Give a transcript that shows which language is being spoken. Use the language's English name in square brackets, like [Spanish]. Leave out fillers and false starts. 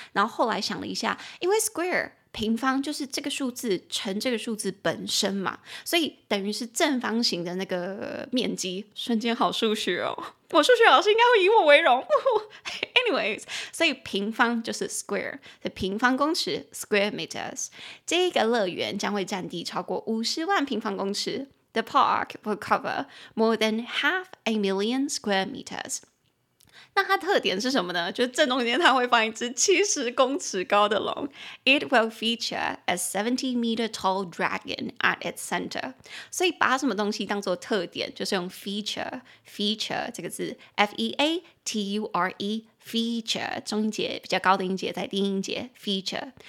[Chinese] 然后后来想了一下，因为 square 平方就是这个数字乘这个数字本身嘛，所以等于是正方形的那个面积。瞬间好数学哦，我数学老师应该会以我为荣。 Anyways， 所以平方就是 square， 所以平方公尺 square meters。这个乐园将会占地超过50万平方公尺。 [English] The park will cover more than half a million square meters， [Chinese] 那它特点是什么呢？就是正中间它会放一只70公尺高的龙。 [English] It will feature a 70 meter tall dragon at its center. [Chinese] 所以把什么东西当作特点，就是用 feature, feature 这个字 F-E-A-T-U-R-E feature, 中音节比较高的音节在低音节 feature。